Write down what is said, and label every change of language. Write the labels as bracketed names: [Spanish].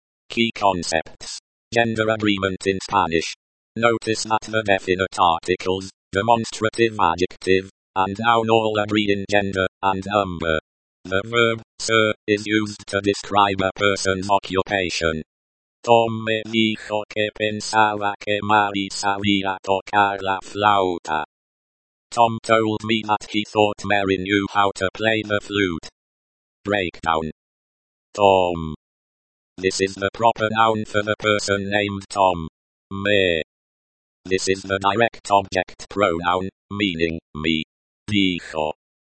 [English] Key concepts. Gender agreement in Spanish. Notice that the definite articles, demonstrative adjective, and noun all agree in gender and number. The verb, ser, is used to describe a person's occupation. [Spanish] Tom me dijo que pensaba que Mari sabía tocar la flauta. [English] Tom told me that he thought Mary knew how to play the flute. Breakdown. Tom. This is the proper noun for the person named Tom. Me. This is the direct object pronoun, meaning me. Dijo.